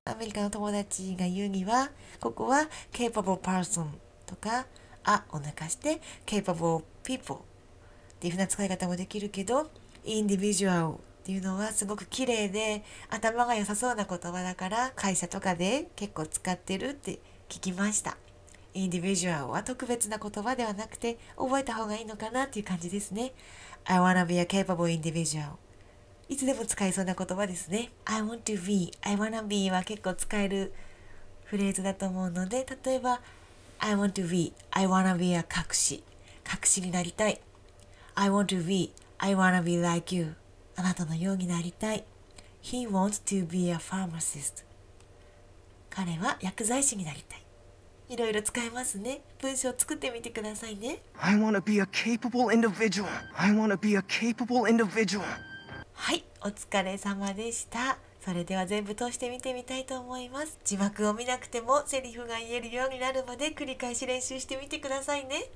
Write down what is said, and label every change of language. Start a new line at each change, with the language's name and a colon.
Japanese: アメリカの友達が言うには、ここは Capable person とか、あを抜かして Capable people っていうふうな使い方もできるけど、Individualっていうのはすごく綺麗で頭が良さそうな言葉だから会社とかで結構使ってるって聞きました。インディビジュアルは特別な言葉ではなくて覚えた方がいいのかなっていう感じですね。
English: I wanna be a capable individual、
Japanese: いつでも使えそうな言葉ですね。
English: I want to be、 I wanna be
Japanese: は結構使えるフレーズだと思うので、例えば
English: I want to be、 I wanna be a
Japanese: 隠し、隠しになりたい。
English: I want to be、 I wanna be like you、
Japanese: あなたのようになりたい。
English: He wants to be a pharmacist、
Japanese: 彼は薬剤師になりたい。いろいろ使えますね。文章作ってみてくださいね。
English: I wanna be a capable individual、 I wanna be a capable individual。
Japanese: はい、お疲れ様でした。それでは全部通して見てみたいと思います。字幕を見なくてもセリフが言えるようになるまで繰り返し練習してみてくださいね。